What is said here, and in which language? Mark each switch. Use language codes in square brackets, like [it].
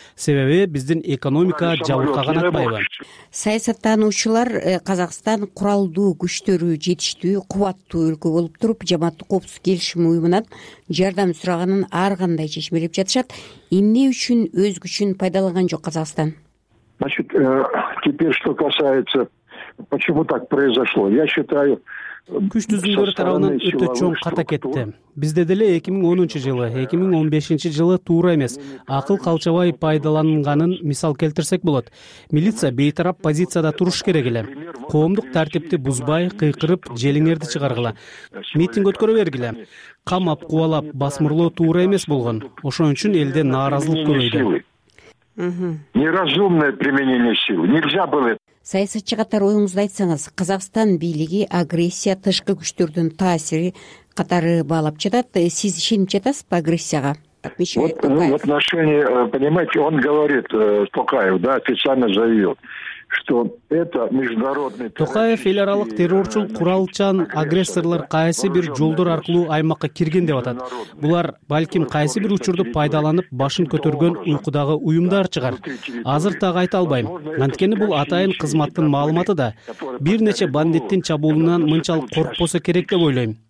[ky] Себеби биздин экономика жабыркаган атпайбы? Саясаттануучулар Казакстан куралдуу күчтөрү жетиштүү, кубаттуу өлкө болуп туруп, жамааттык коопсуздук келишим уюмунан жардам сураганын ар кандай чечмелеп жатышат. Эмне үчүн өз күчүн пайдаланган жок Казакстан? [ru] Значит, теперь что касается Почему так произошло? Я считаю, [ky] күч түзүмдөрү тарабынан өтө чоң ката кетти. Бизде деле 2010-жылы, 2015-жылы туура эмес акыл калчабай пайдаланганын мисал келтирсек болот. Милиция бейтарап позицияда туруш керек эле. Коомдук тартипти бузбай, кыйкырып, желиңерди чыгаргыла. Митинг өткөрө бергиле. Камап, кубалап, басмырлоо туура эмес болгон. Ошон үчүн элде нааразылык көбөйдү. [ru] Неразумное применение силы. Нельзя было. [ky] Саясатчы катары оюңузду айтсаңыз, Казакстан бийлиги агрессия тышкы күчтөрдүн таасири катары баалап жатат. Сиз ишенип жатасызбы агрессияга? [ru] Вот в отношении, понимаете, он говорит, Токаев, да, официально заявил, что это международный террор. [ky] Токаев эл аралык террорчул куралчан агрессорлор кайсы бир жолдор аркылуу аймакка кирген деп атат. Булар балким кайсы бир учурду пайдаланып башын көтөргөн уйкудагы уюмдар чыгар. Азыр так айта албайм. Анткени бул атайын кызматтын маалыматы да. Бир нече бандиттин чабуулунан мынчалык коркпосо керек деп ойлойм.